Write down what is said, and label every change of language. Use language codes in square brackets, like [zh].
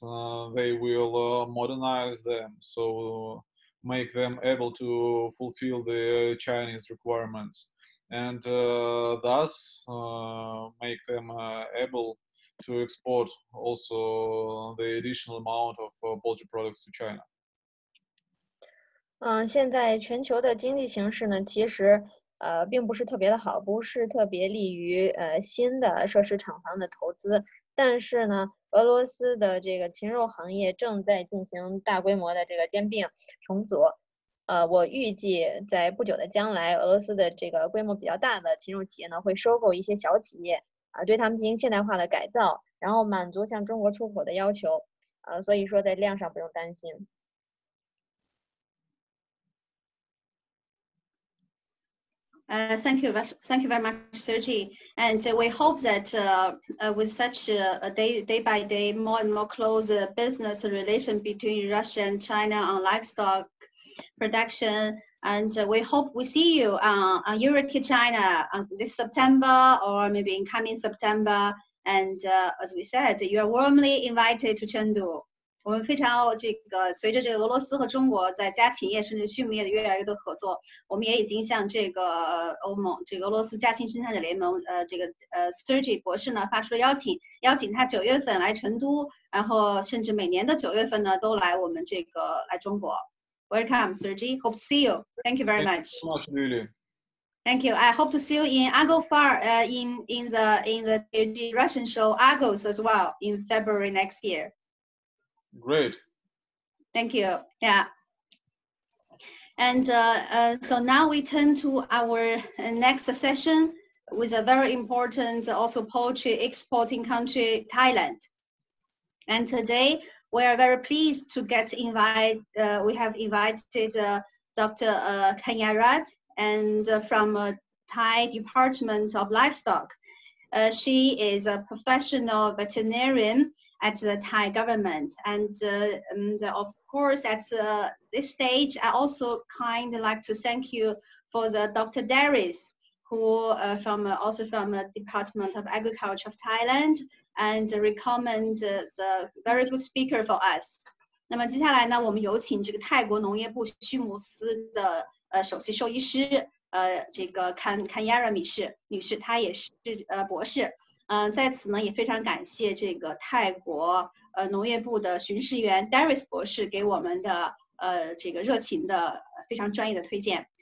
[en] They will modernize them, so make them able to fulfill the Chinese requirements, and thus make them able to export also the additional amount of poultry products to China. [zh] 现在全球的经济形势呢，其实并不是特别的好，不是特别利于新的设施厂房的投资。但是呢，俄罗斯的这个禽肉行业正在进行大规模的这个兼并重组。我预计在不久的将来，俄罗斯的这个规模比较大的禽肉企业呢，会收购一些小企业，对他们进行现代化的改造，然后满足向中国出口的要求。所以说在量上不用担心。 [en] Thank you very much, Sergi. And we hope that with such a day by day, more and more close business relation between Russia and China on livestock production. And we hope we see you on EuroTier China this September or maybe in coming September. And as we said, you are warmly invited to Chengdu. [zh] 我们非常这个随着这个俄罗斯和中国在家禽业甚至畜牧业的越来越多合作，我们也已经向这个欧盟这个俄罗斯家禽生产者联盟这个Sergi 博士呢发出了邀请，邀请他九月份来成都，然后甚至每年的九月份呢都来我们这个来中国。 [en] Welcome, Sergi. Hope to see you. Thank you very much. Thank you so much, Lily. Thank you. I hope to see you in Argo Far in the Russian show Argos as well in February next year. Great. Thank you. Yeah. And so now we turn to our next session with a very important also poultry exporting country, Thailand. And today we are very pleased to get invited. We have invited Dr. Kanyarat and from Thai Department of Livestock. She is a professional veterinarian. At the Thai government. And of course, at this stage, I also kind of like to thank you for the Dr. Darius, who from Department of Agriculture of Thailand and recommend the very good speaker for us. [zh] 那么接下来呢，我们有请这个泰国农业部畜牧司的首席兽医师这个坎亚拉米氏女士，她也是博士。在此呢也非常感谢这个泰国农业部的巡视员 Darius 博士给我们的这个热情的非常专业的推荐。